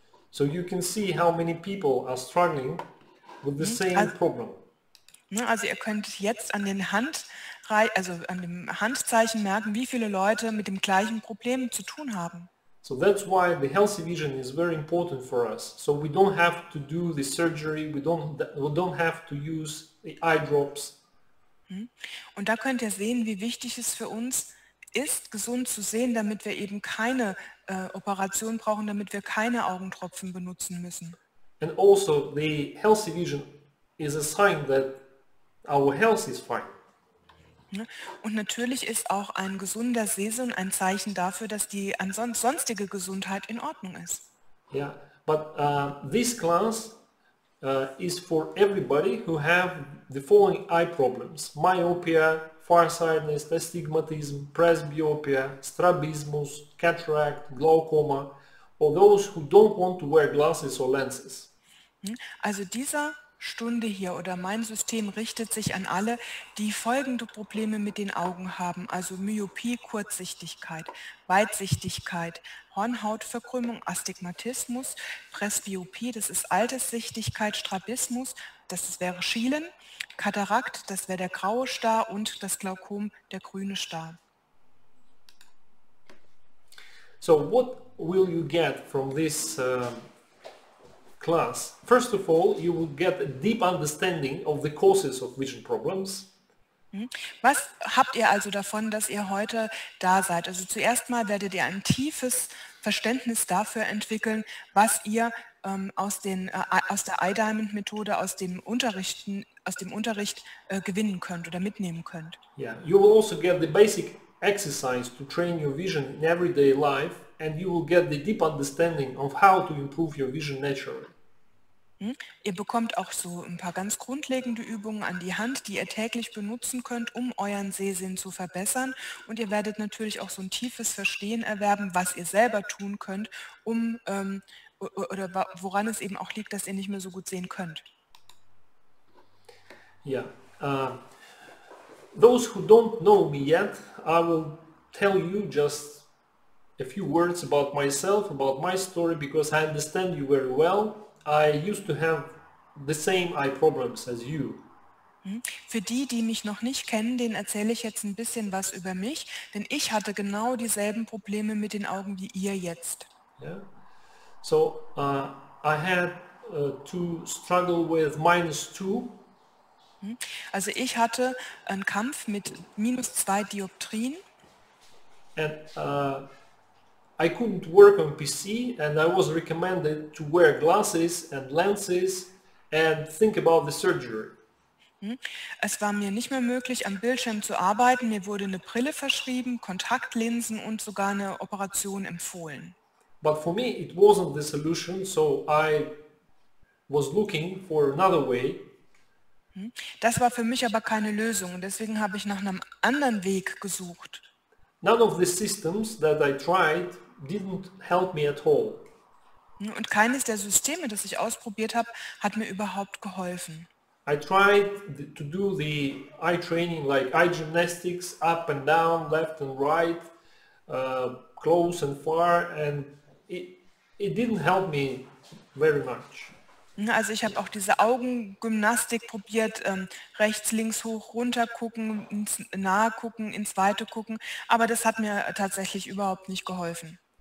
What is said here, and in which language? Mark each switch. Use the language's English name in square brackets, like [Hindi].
[English] So you can see how many people are struggling with the same problem. [German] Also ihr könnt jetzt an dem Handzeichen merken, wie viele Leute mit dem gleichen Problem zu tun haben. [English] So that's why the healthy vision is very important for us. So we don't have to do the surgery, we don't have to use the eye drops. [German] Und da könnt ihr sehen, wie wichtig es für uns ist, gesund zu sehen, damit wir eben keine Operation brauchen, damit wir keine Augentropfen benutzen müssen. [English] And also the healthy vision is a sign that our health is fine. [German] Und natürlich ist auch ein gesunder Sehsinn ein Zeichen dafür, dass die sonstige Gesundheit in Ordnung ist. [English] Yeah, but this class is for everybody who have the following eye problems: myopia, farsightedness, astigmatism, presbyopia, strabismus, cataract, glaucoma, or those who don't want to wear glasses or lenses. [German] Also dieser Stunde hier oder mein System richtet sich an alle, die folgende Probleme mit den Augen haben, also Myopie, Kurzsichtigkeit, Weitsichtigkeit, Hornhautverkrümmung, Astigmatismus, Presbyopie, das ist Alterssichtigkeit, Strabismus, das wäre Schielen, Katarakt, das wäre der graue Star und das Glaukom, der grüne Star. [English] So, what will you get from this class? First of all, you will get a deep understanding of the causes of vision problems. [German] Was habt ihr also davon, dass ihr heute da seid? Also zuerst mal werdet ihr ein tiefes Verständnis dafür entwickeln, was ihr aus der iDiamond-Methode, aus dem Unterricht gewinnen könnt oder mitnehmen könnt. [English] Yeah, you will also get the basic exercise to train your vision in everyday life, and you will get the deep understanding of how to improve your vision naturally. [German] Ihr bekommt auch so ein paar ganz grundlegende Übungen an die Hand, die ihr täglich benutzen könnt, um euren Sehsinn zu verbessern. Und ihr werdet natürlich auch so ein tiefes Verstehen erwerben, was ihr selber tun könnt, woran es eben auch liegt, dass ihr nicht mehr so gut sehen könnt. [English] Ja, those who don't know me yet, I will tell you just a few words about myself, about my story, because I understand you very well. I used to have the same eye problems as you. [German] Für die, die mich noch nicht kennen, denen erzähle ich jetzt ein bisschen was über mich, denn ich hatte genau dieselben Probleme mit den Augen wie ihr jetzt. [English] Yeah. So I had to struggle with -2. [German] Also ich hatte einen Kampf mit -2 Dioptrien. [English] And I couldn't work on PC and I was recommended to wear glasses and lenses and think about the surgery. [German] Es war mir nicht mehr möglich, am Bildschirm zu arbeiten. Mir wurde eine Brille verschrieben, Kontaktlinsen und sogar eine Operation empfohlen. [English] But for me it wasn't the solution, so I was looking for another way. [German] Das war für mich aber keine Lösung und deswegen habe ich nach einem anderen Weg gesucht. [English] None of the systems that I tried didn't help me at all. [German] Und keines der Systeme, das ich ausprobiert habe, hat mir überhaupt geholfen. [English] I tried to do the eye training like eye gymnastics, up and down, left and right, close and far, and it didn't help me very much. [German] Also ich habe auch diese Augengymnastik probiert, rechts, links, hoch, runter gucken, ins Nahe gucken, ins Weite gucken, aber das hat mir tatsächlich überhaupt nicht geholfen.